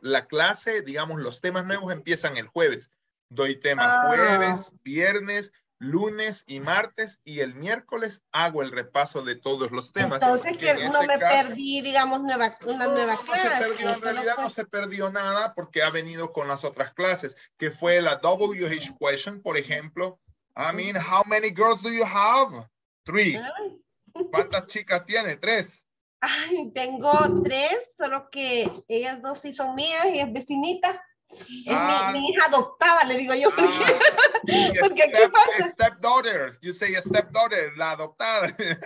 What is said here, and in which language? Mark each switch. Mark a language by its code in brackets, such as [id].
[es] La clase, digamos, los temas nuevos empiezan el jueves. Doy temas jueves, viernes, lunes y martes, y el miércoles hago el repaso de todos los temas. Entonces, que no me perdí, digamos, una nueva clase. No se perdió, en realidad no se perdió nada porque ha venido con las otras clases, que fue la WH question, por ejemplo. [en] I mean, how many girls do you have? [es] 3. ¿Cuántas chicas tiene? 3. Ay, tengo 3, solo que ellas dos sí son mías y es vecinita. Es mi hija adoptada, le digo yo. Porque step, ¿qué pasa? [en] Stepdaughter, you say stepdaughter, [es] la adoptada. Sí.